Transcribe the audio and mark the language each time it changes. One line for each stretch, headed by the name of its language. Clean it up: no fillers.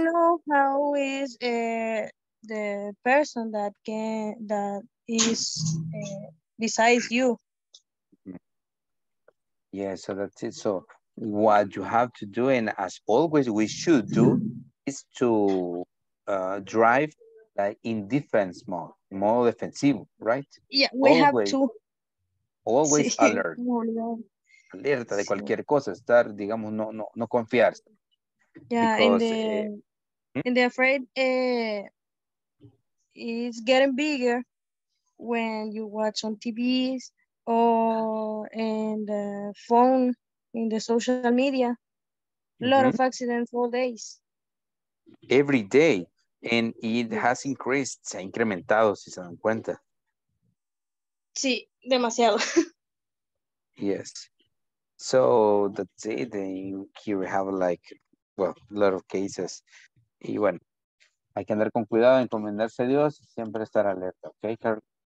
English: You don't know how is the person that can that is besides you. Yeah, so that's it. So what you have to do, and as always we should do, is to drive like in defense mode,
Spanish: modo defensivo,
English: right? Yeah, we always, have to always sí. Alert.
Spanish: Alerta de cualquier cosa, estar, digamos, no confiar.
English: Yeah, and they're afraid it's getting bigger when you watch on TVs or and phone. In the social media, a lot of accidents all days. Every day. And it has increased,
Spanish: se ha incrementado, si se dan cuenta. Sí, demasiado.
English: Yes. So that's it. And here we have like, well, a lot of cases.
Spanish: Y bueno, hay que andar con cuidado, encomendarse a Dios y siempre estar alerta, ¿ok, Carly?